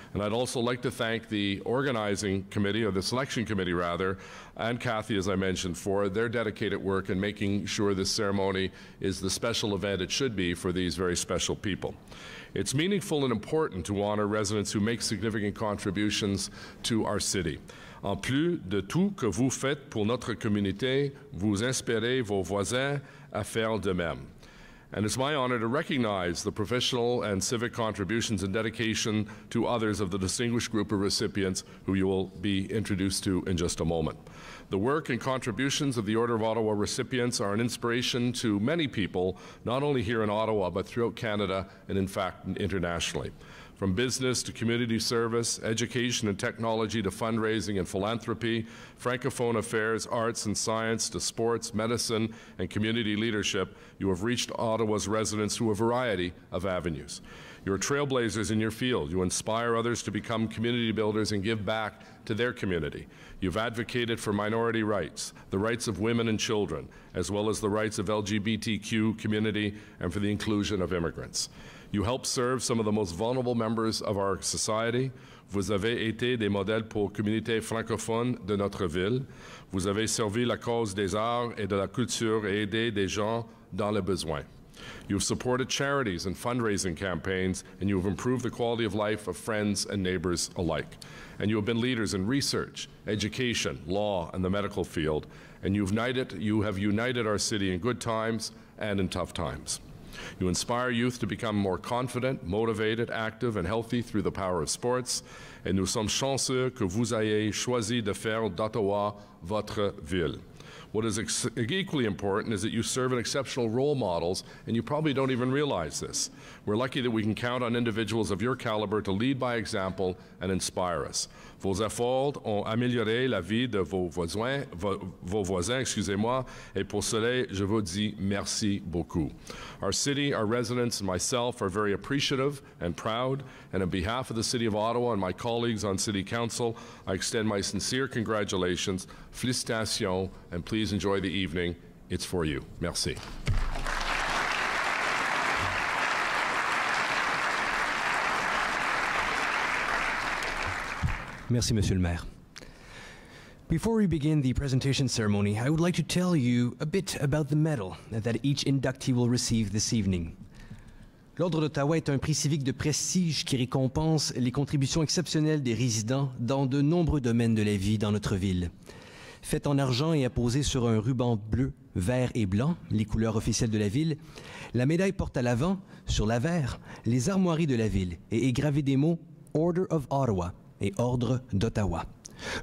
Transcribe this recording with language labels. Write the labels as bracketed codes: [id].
[en] And I'd also like to thank the organizing committee, or the selection committee rather, and Kathy, as I mentioned, for their dedicated work in making sure this ceremony is the special event it should be for these very special people. It's meaningful and important to honor residents who make significant contributions to our city. [fr] En plus de tout que vous faites pour notre communauté, vous inspirez vos voisins à faire de même. [en] And it's my honor to recognize the professional and civic contributions and dedication to others of the distinguished group of recipients who you will be introduced to in just a moment. The work and contributions of the Order of Ottawa recipients are an inspiration to many people, not only here in Ottawa, but throughout Canada and, in fact, internationally. from business to community service, education and technology to fundraising and philanthropy, francophone affairs, arts and science to sports, medicine, and community leadership, you have reached Ottawa's residents through a variety of avenues. You're trailblazers in your field. You inspire others to become community builders and give back to their community. You've advocated for minority rights, the rights of women and children, as well as the rights of LGBTQ community and for the inclusion of immigrants. You help serve some of the most vulnerable members of our society. [fr] Vous avez été des modèles pour communauté francophone de notre ville. Vous avez servi la cause des arts et de la culture et aidé des gens dans le besoin. [en] You've supported charities and fundraising campaigns, and you have improved the quality of life of friends and neighbors alike. And you have been leaders in research, education, law, and the medical field. And you have united our city in good times and in tough times. You inspire youth to become more confident, motivated, active, and healthy through the power of sports. [fr] Et nous sommes chanceux que vous ayez choisi de faire d'Ottawa votre ville. [en] What is equally important is that you serve in exceptional role models, and you probably don't even realize this. We're lucky that we can count on individuals of your caliber to lead by example and inspire us. [fr] Vos efforts ont amélioré la vie de vos voisins, et pour cela, je vous dis merci beaucoup. [en] Our city, our residents, and myself are very appreciative and proud, and on behalf of the City of Ottawa and my colleagues on City Council, I extend my sincere congratulations, félicitations, and please enjoy the evening. It's for you. [fr] Merci. Merci, Monsieur le Maire. [en] Before we begin the presentation ceremony, I would like to tell you a bit about the medal that each inductee will receive this evening. [fr] L'Ordre d'Ottawa est un prix civique de prestige qui récompense les contributions exceptionnelles des résidents dans de nombreux domaines de la vie dans notre ville. Fait en argent et apposé sur un ruban bleu, vert et blanc, les couleurs officielles de la ville, la médaille porte à l'avant, sur l'avers, les armoiries de la ville et est gravée des mots « Order of Ottawa » et « Ordre d'Ottawa ».